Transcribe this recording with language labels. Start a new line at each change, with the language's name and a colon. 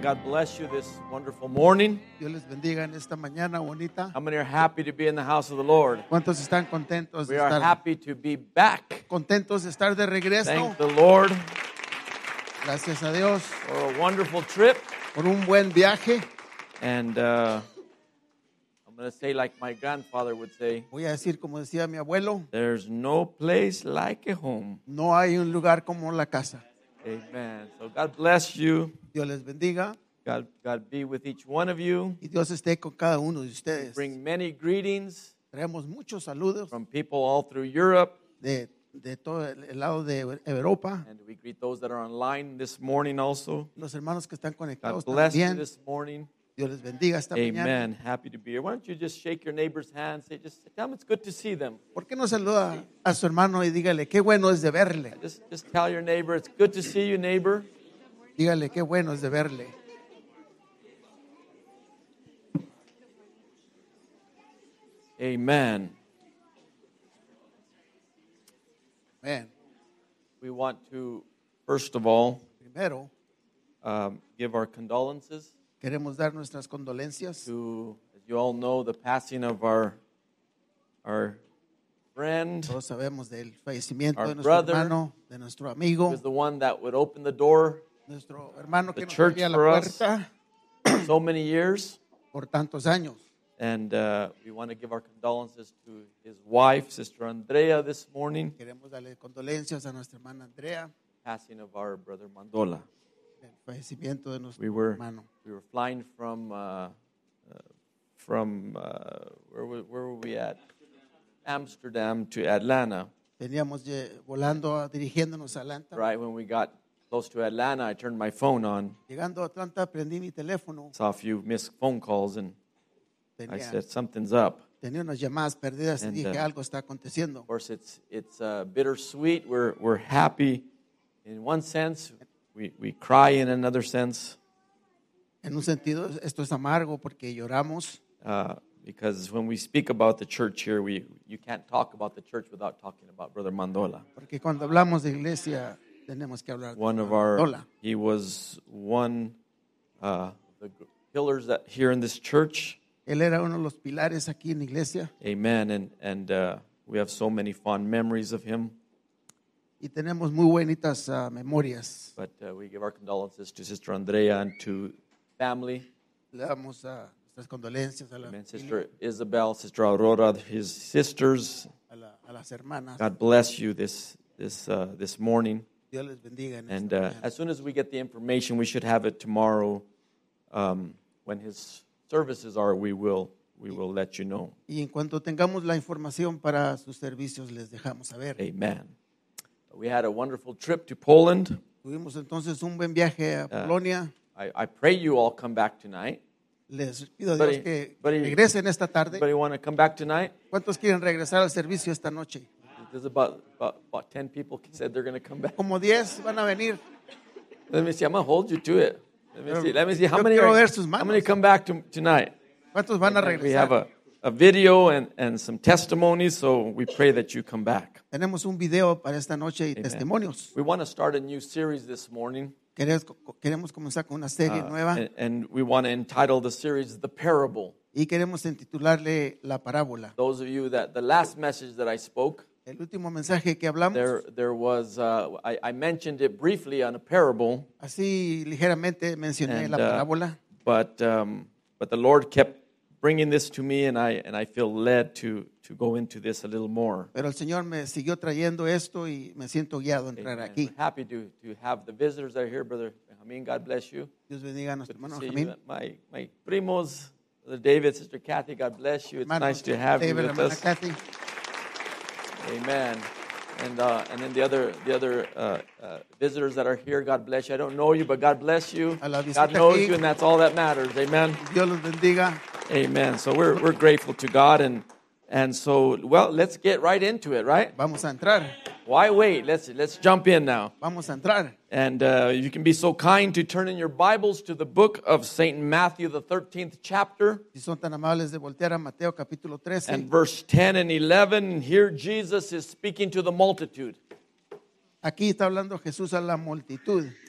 English: God bless you this wonderful morning.
Spanish: Dios les bendiga en esta mañana bonita.
English: How many are happy to be in the house of the Lord?
Spanish: ¿Cuántos están contentos de estar?
English: We are happy to be back.
Spanish: Contentos de estar de regreso.
English: Thank the Lord.
Spanish: Gracias a Dios.
English: For a wonderful trip.
Spanish: Por un buen viaje.
English: And I'm going to say like my grandfather would say.
Spanish: Voy a decir como decía mi abuelo.
English: There's no place like a home.
Spanish: No hay un lugar como la casa.
English: Amen. So God bless you.
Spanish: Dios les bendiga.
English: God be with each one of you.
Spanish: Y Dios esté con cada uno de ustedes.
English: Bring many greetings.
Spanish: Traemos muchos saludos.
English: From people all through Europe.
Spanish: De todo el lado de Europa.
English: And we greet those that are online this morning also.
Spanish: Los hermanos que están conectados también.
English: God bless you this morning.
Spanish: Dios les bendiga esta
English: Amen.
Spanish: Mañana.
English: Amen. Happy to be here. Why don't you just shake your neighbor's hand? Say, just tell them it's good to see them.
Spanish: ¿Por qué no saluda a su hermano y dígale qué bueno es de verle?
English: Just tell your neighbor it's good to see you, neighbor.
Spanish: Dígale qué bueno es de verle.
English: Amen. Amen. We want to, first of all,
Spanish: primero,
English: give our condolences.
Spanish: Queremos dar nuestras condolencias.
English: To, as you all know, the passing of our friend.
Spanish: Todos sabemos del fallecimiento
English: our
Spanish: de nuestro
English: brother,
Spanish: hermano, de nuestro amigo.
English: Was the one that would open the door.
Spanish: Nuestro hermano
English: the church
Spanish: nos abría la puerta.
English: So many years.
Spanish: Por tantos años.
English: And we want to give our condolences to his wife, Sister Andrea, this morning.
Spanish: Queremos darle condolencias a nuestra hermana Andrea.
English: Passing of our brother Mandola. We were flying from where were we at? Amsterdam to Atlanta.
Spanish: Teníamos volando dirigiéndonos a Atlanta.
English: Right when we got close to Atlanta, I turned my phone on.
Spanish: Llegando a Atlanta, prendí mi teléfono.
English: Saw a few missed phone calls and I said something's up.
Spanish: Tenía unas llamadas perdidas y dije algo está aconteciendo.
English: Of course, it's bittersweet. We're happy in one sense. We cry in another sense.
Spanish: En un sentido, esto es amargo porque lloramos.
English: Because when we speak about the church here, you can't talk about the church without talking about Brother Mandola.
Spanish: Porque cuando hablamos de iglesia, tenemos que hablar de
English: one of
Spanish: Mandola.
English: Our, he was one of the pillars that, here in this church.
Spanish: Él era uno de los pilares aquí en la iglesia.
English: Amen. And we have so many fond memories of him.
Spanish: Y tenemos muy bonitas memorias.
English: But we give our condolences to Sister Andrea and to family.
Spanish: Le damos nuestras condolencias a la familia.
English: Sister Isabel, Sister Aurora, his sisters.
Spanish: A las hermanas.
English: God bless you this morning.
Spanish: Dios les bendiga.
English: And as soon as we get the information, we should have it tomorrow. When his services are, we will let you know.
Spanish: Y en cuanto tengamos la información para sus servicios, les dejamos saber.
English: Amen. We had a wonderful trip to Poland.
Spanish: Tuvimos entonces un buen viaje a Polonia.
English: I pray you all come back tonight.
Spanish: Les pido a Dios que regresen esta tarde.
English: Anybody want to come back tonight?
Spanish: ¿Cuántos quieren regresar al servicio esta noche?
English: There's about 10 people said they're going to come back.
Spanish: Como 10 van a venir.
English: Let me see. I'm going to hold you to it. Let me see. How many
Spanish: are, sus manos.
English: How many come back tonight?
Spanish: ¿Cuántos van a regresar?
English: We have a video and some testimonies, so we pray that you come back.
Spanish: Tenemos un video para esta noche y testimonios.
English: We want to start a new series this morning.
Spanish: Queremos comenzar con una serie nueva.
English: And we want to entitle the series The Parable.
Spanish: Y queremos entitularle La Parábola.
English: Those of you that the last message that I spoke,
Spanish: el último mensaje que hablamos,
English: there was I mentioned it briefly on a parable.
Spanish: Así ligeramente mencioné
English: and,
Spanish: la parábola.
English: But the Lord kept bringing this to me, and I feel led to go into this a little more.
Spanish: Pero el Señor me siguió trayendo esto y me siento guiado a entrar aquí.
English: We're happy to have the visitors that are here, Brother Benjamin. God bless you.
Spanish: Dios bendiga a nuestro hermano Benjamin.
English: My primos, Brother David, Sister Kathy. God bless you. It's
Spanish: hermano,
English: nice to have
Spanish: David,
English: you with us.
Spanish: Kathy.
English: Amen. And then the other visitors that are here, God bless you. I don't know you, but God bless you. God knows you, and that's all that matters. Amen.
Spanish: Dios los bendiga.
English: Amen. So we're grateful to God, and so let's get right into it, right?
Spanish: Vamos a entrar.
English: Why wait? Let's jump in now.
Spanish: Vamos a entrar.
English: And you can be so kind to turn in your Bibles to the book of Saint Matthew, the 13th chapter.
Spanish: Si son tan amables de voltear a Mateo capítulo 13.
English: And verse 10 and 11. Here Jesus is speaking to the multitude.
Spanish: Aquí está hablando Jesús a la multitud.